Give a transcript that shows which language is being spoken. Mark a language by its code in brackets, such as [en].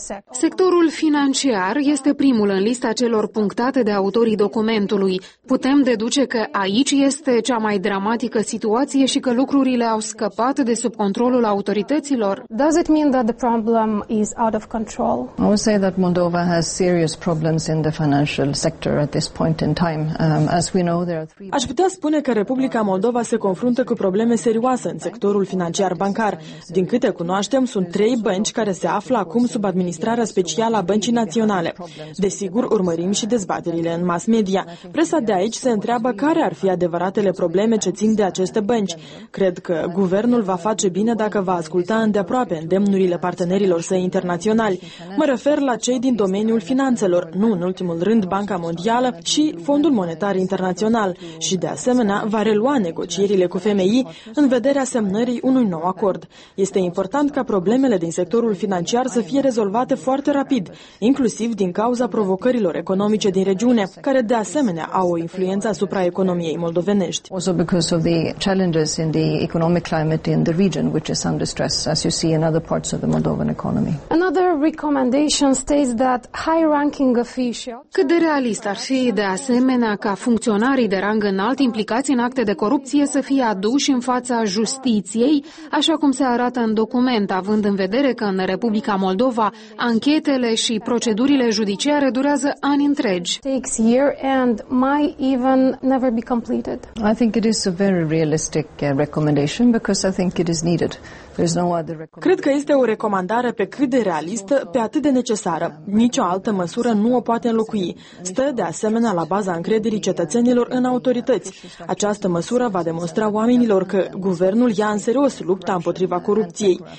[ro] Sectorul financiar este primul în lista celor punctate de autorii documentului. Putem deduce că aici este cea mai dramatică situație și că lucrurile au scăpat de sub controlul autorităților. [en] Does it mean that the problem is out of control? I would say that Moldova has serious problems in the financial sector at this point in time. As we know, there are three. [ro] Aș putea spune că Republica Moldova se confruntă cu probleme serioase în sectorul financiar bancar. Din câte cunoaștem, sunt trei bănci care se află acum sub administrarea specială a Băncii Naționale. Desigur, urmărim și dezbaterile în mass media. Presa de aici se întreabă care ar fi adevăratele probleme ce țin de aceste bănci. Cred că guvernul va face bine dacă va asculta îndeaproape îndemnurile partenerilor săi internaționali. Mă refer la cei din domeniul finanțelor, nu în ultimul rând Banca Mondială și Fondul Monetar Internațional, și de asemenea va relua negocierile cu FMI în vederea semnării unui nou acord. Este important ca problemele din sectorul financiar să fie rezolvate foarte rapid, inclusiv din cauza provocărilor economice din regiune, care de asemenea au o influență asupra economiei moldovenești. [en] Also because of the challenges in the economic climate in the region, which is under stress, as you see in other parts of the Moldovan economy. Another recommendation states that high-ranking officials. [ro] Cât de realist ar fi de asemenea ca funcționarii de rang înalt implicați în acte de corupție să fie aduși în fața justiției, așa cum se arată în document, având în vedere că în Republica Moldova anchetele și procedurile judiciare durează ani întregi. [en] Takes year and might even never be completed. I think it is a very realistic recommendation because I think it is needed. [ro] Cred că este o recomandare pe cât de realistă, pe atât de necesară. Nicio altă măsură nu o poate înlocui. Stă de asemenea la baza încrederii cetățenilor în autorități. Această măsură va demonstra oamenilor că guvernul ia în serios lupta împotriva corupției.